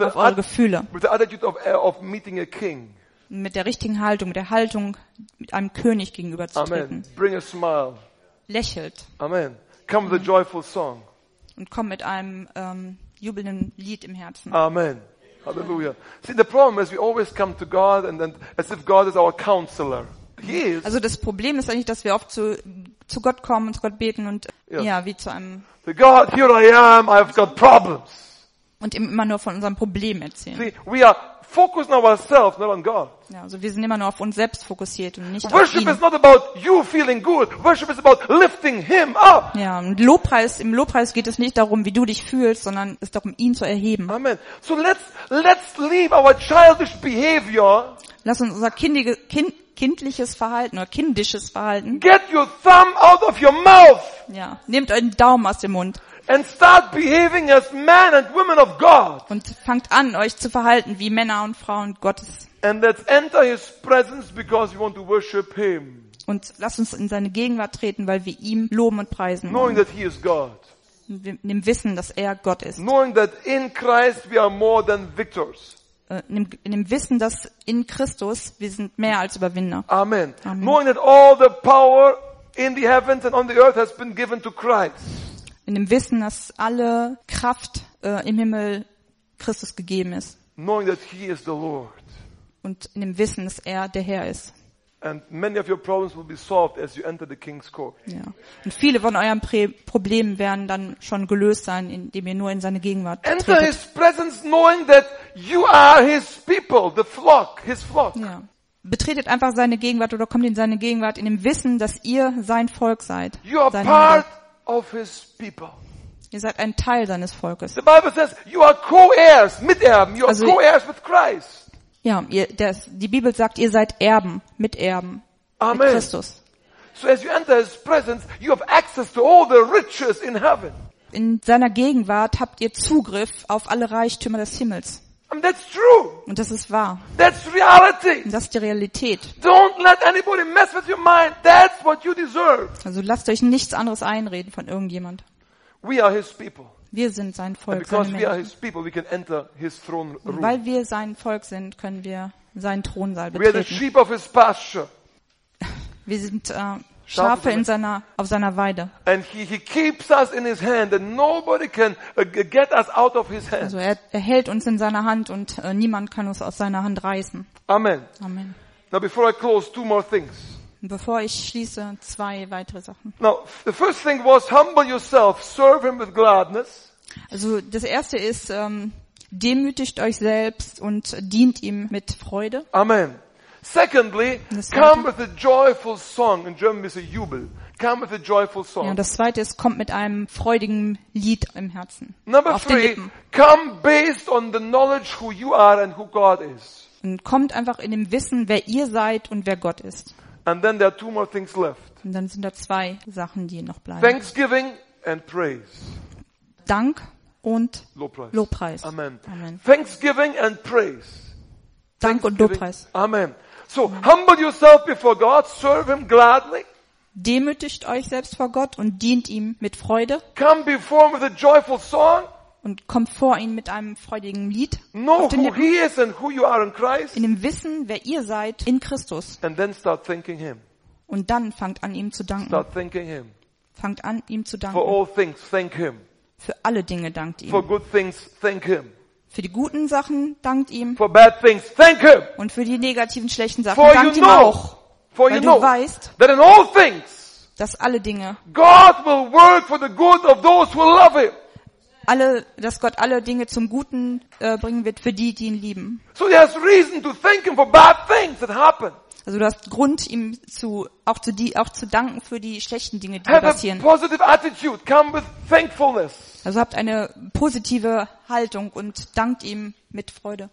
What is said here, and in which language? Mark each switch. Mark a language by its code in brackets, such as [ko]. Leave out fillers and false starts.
[de] auf eure Gefühle. [en] With the attitude of meeting a king. [de] Mit der richtigen Haltung, mit der Haltung, mit einem König gegenüberzutreten. [en] Amen. Bring a smile. [de] Lächelt. [en] Amen. Come with a joyful song. [de] Und komm mit einem jubelnden Lied im Herzen. [en] Amen. Hallelujah. See, the problem is we always come to God and then as if God is our counselor. He is. [de] Also das Problem ist eigentlich, dass wir oft zu Gott kommen und zu Gott beten und yes. Ja, wie zu einem [en] the God, here I am, I've got problems. [de] Und immer nur von unserem Problem erzählen. [en] See, we are focused on ourselves, not on God. [de] Ja, also wir sind immer nur auf uns selbst fokussiert und nicht [en] worship [de] auf ihn. [en] Worship is not about you feeling good. Worship is about lifting him up. [de] Ja, und im Lobpreis geht es nicht darum, wie du dich fühlst, sondern es ist darum, ihn zu erheben. [en] Amen. So let's leave our childish behavior. [de] Lass uns unser kindliches Verhalten oder kindisches Verhalten. [en] Get your thumb out of your mouth. [de] Ja, nehmt euren Daumen aus dem Mund. [en] And start behaving as men and women of God. [de] Und fangt an, euch zu verhalten wie Männer und Frauen Gottes. [en] And let's enter his presence because we want to worship him. [de] Und lasst uns in seine Gegenwart treten, weil wir ihm loben und preisen. [en] Knowing that he is God. [de] In dem Wissen, dass er Gott ist. [en] Knowing that in Christ we are more than victors. [de] In dem Wissen, dass in Christus wir sind mehr als Überwinder. [en] Amen. Amen. Knowing that all the power in the heavens and on the earth has been given to Christ. [de] In dem Wissen, dass alle Kraft im Himmel Christus gegeben ist. [en] Knowing that he is the Lord. [de] Und in dem Wissen, dass er der Herr ist. [en] And many of your problems will be solved as you enter the king's court. [de] Ja. Und viele von euren Problemen werden dann schon gelöst sein, indem ihr nur in seine Gegenwart tretet. [en] Enter his presence knowing that you are his people, the flock, his flock. [de] Ja. Betretet einfach seine Gegenwart oder kommt in seine Gegenwart in dem Wissen, dass ihr sein Volk seid. [en] You are part of his people. [de] Ihr seid ein Teil seines Volkes. [en] The Bible says you are co-heirs, miterben, you are also, co-heirs with Christ. [de] Ja, die Bibel sagt, ihr seid Erben, Miterben mit Christus. [en] So as you enter his presence, you have access to all the riches in heaven. [de] In seiner Gegenwart habt ihr Zugriff auf alle Reichtümer des Himmels. [en] And that's true. [de] Und das ist wahr. [en] That's reality. [de] Und das ist die Realität. [en] Don't let anybody mess with your mind. That's what you deserve. [de] Also lasst euch nichts anderes einreden von irgendjemand. [en] We are his people. [de] Wir sind sein Volk. Weil wir sein Volk sind, können wir seinen Thronsaal betreten. [en] We are the sheep of his pasture. [de] Wir sind Schafe in seiner auf seiner Weide. [en] And he keeps us in his hand and nobody can get us out of his hand. [de] Also er hält uns in seiner Hand und niemand kann uns aus seiner Hand reißen. [en] Amen. [de] Amen. [en] Now before I close, two more things. [de] Bevor ich schließe, zwei weitere Sachen. [en] Now, the first thing was humble yourself, serve him with gladness. [de] Also das erste ist demütigt euch selbst und dient ihm mit Freude. [en] Amen. Secondly, come with a joyful song. In German we say Jubel. Come with a joyful song. [de] Ja, das zweite ist kommt mit einem freudigen Lied im Herzen. [en] Number three, come based on the knowledge who you are and who God is. [de] Und kommt einfach in dem Wissen, wer ihr seid und wer Gott ist. [en] And then there are two more things left. [de] Und dann sind da zwei Sachen, die noch bleiben. [en] Thanksgiving and praise. [de] Dank und Lobpreis. [en] Amen. Amen. Thanksgiving and praise. [de] Dank und Lobpreis. [en] Amen. So, humble yourself before God, serve him gladly. [de] Demütigt euch selbst vor Gott und dient ihm mit Freude. [en] Come before him with a joyful song. [de] Und kommt vor ihn mit einem freudigen Lied. [en] Know who he is and who you are in Christ. [de] In dem Wissen, wer ihr seid in Christus. [en] And then start thanking him. [de] Und dann fangt an, ihm zu danken. [en] Start thanking him. [de] Fangt an, ihm zu danken. [en] For all things, thank him. [de] Für alle Dinge dankt ihm. [en] For good things, thank him. [de] Für die guten Sachen dankt ihm. [en] For bad things, thank him. [de] Und für die negativen, schlechten Sachen dankt ihm auch. [en] For [de] weil [en] you [de] du [en] know, [de] weißt, [en] that in all things, [de] dass alle Dinge [en] God will work for the good of those who love him. [de] Alle, dass Gott alle Dinge zum Guten bringen wird für die, die ihn lieben. [en] So he has reason to thank him for bad things that happen. [de] Also du hast Grund, ihm auch zu danken für die schlechten Dinge, die passieren. [en] Have a positive attitude. Come with thankfulness. [de] Also habt eine positive Haltung und dankt ihm mit Freude.